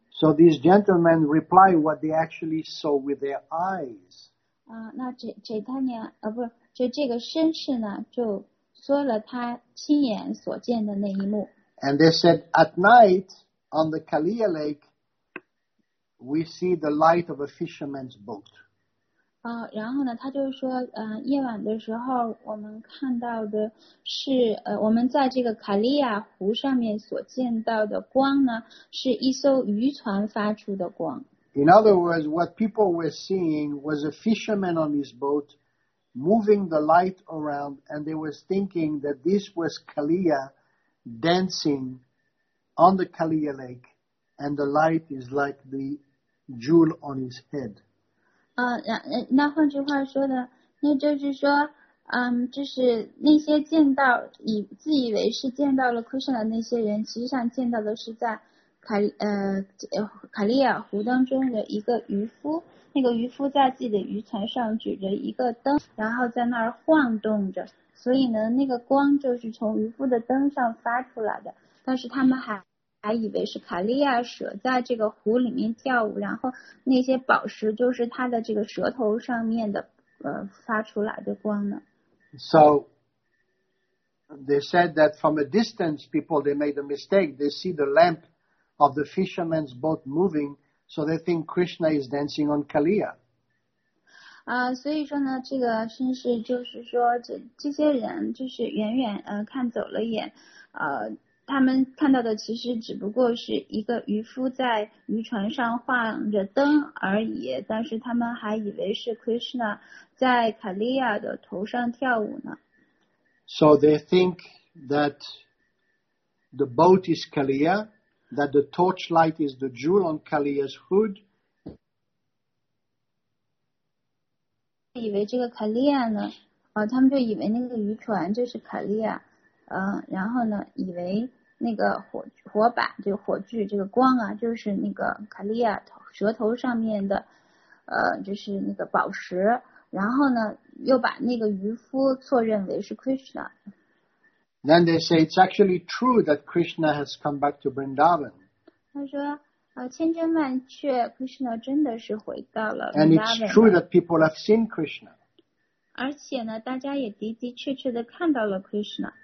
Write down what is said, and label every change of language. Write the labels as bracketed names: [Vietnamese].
[English] So these gentlemen reply what they actually saw with their eyes. [Chinese] 那 Chaitanya, 不是，就这个绅士呢，就说了他亲眼所见的那一幕。 [English] And they said, at night, on the Kaliya Lake, we see the light of a fisherman's boat. [Chinese] 然后呢，他就说，夜晚的时候，我们看到的是，我们在这个卡利亚湖上面所见到的光呢，是一艘渔船发出的光。 [English] In other words, what people were seeing was a fisherman on his boat moving the light around, and they were thinking that this was Kaliya dancing on the Kaliya Lake, and the light is like the jewel on his head. [Chinese] 那换句话说的，那就是说，就是那些见到以自以为是见到了 Krishna 的那些人，实际上见到的是在卡利亚湖当中的一个渔夫。那个渔夫在自己的渔船上举着一个灯，然后在那儿晃动着，所以呢，那个光就是从渔夫的灯上发出来的。但是他们还以为是卡利亚蛇在这个湖里面跳舞，然后那些宝石就是它的这个舌头上面的发出来的光呢。 [English] So they said that from a distance, people they made a mistake. They see the lamp of the fisherman's boat moving, so they think Krishna is dancing on Kaliya. [Chinese] 所以说呢，这个绅士就是说，这些人就是远远看走了眼，他们看到的其实只不过是一个渔夫在渔船上晃着灯而已，但是他们还以为是 Krishna 在卡利亚的头上跳舞呢。 [English] So they think that the boat is Kaliya, that the torchlight is the jewel on Kaliya's hood. [Chinese] 以为这个卡利亚呢，他们就以为那个渔船就是卡利亚，然后呢，以为那个火把，就火炬，这个光啊，就是那个卡利亚舌头上面的，就是那个宝石。然后呢，又把那个渔夫错认为是 Krishna。 [English] Then they say it's actually true that Krishna has come back to Vrindavan. [Chinese] 他说，千真万确 ，Krishna 真的是回到了 [English] Vrindavan。And it's true that people have seen Krishna. [Chinese] 而且呢，大家也的的确确的看到了 Krishna。